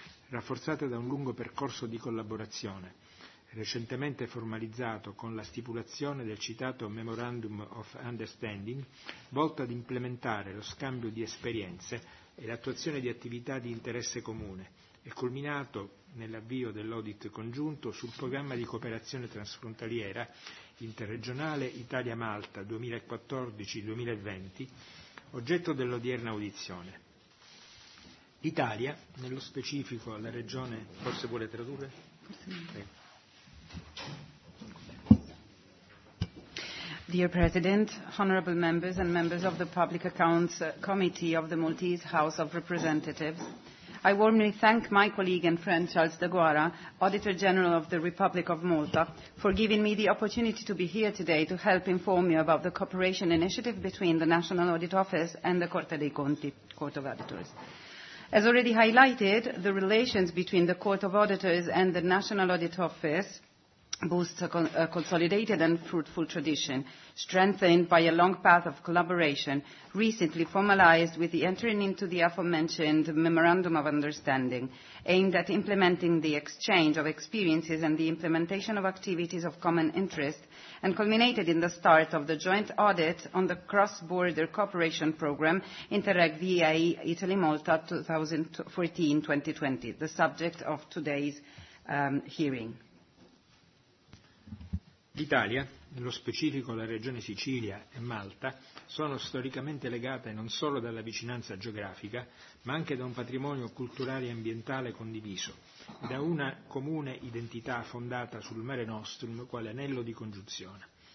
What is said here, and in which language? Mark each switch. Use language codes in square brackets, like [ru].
[it] rafforzata da un lungo percorso di collaborazione, recentemente formalizzato con la stipulazione del citato Memorandum of Understanding, volto ad implementare lo scambio di esperienze e l'attuazione di attività di interesse comune, e culminato nell'avvio dell'audit congiunto sul programma di cooperazione transfrontaliera interregionale Italia-Malta 2014-2020, oggetto dell'odierna audizione. L'Italia, nello specifico la regione, forse vuole tradurre? [en] Dear President, Honorable Members and Members of the Public Accounts Committee of the Maltese House of Representatives, I warmly thank my colleague and friend Charles De Guara, Auditor General of the Republic of Malta, for giving me the opportunity to be here today to help inform you about the cooperation initiative between the National Audit Office and the Corte dei Conti, Court of Auditors. As already highlighted, the relations between the Court of Auditors and the National Audit Office boosts a consolidated and fruitful tradition, strengthened by a long path of collaboration, recently formalized with the entering into the aforementioned Memorandum of Understanding, aimed at implementing the exchange of experiences and the implementation of activities of common interest, and culminated in the start of the joint audit on the cross-border cooperation program Interreg VIE Italy-Malta 2014-2020, the subject of today's hearing. [it] L'Italia, nello specifico la regione Sicilia e Malta, sono storicamente legate non solo dalla vicinanza geografica, ma anche da un patrimonio culturale e ambientale condiviso, da una comune identità fondata sul Mare Nostrum quale anello di congiunzione.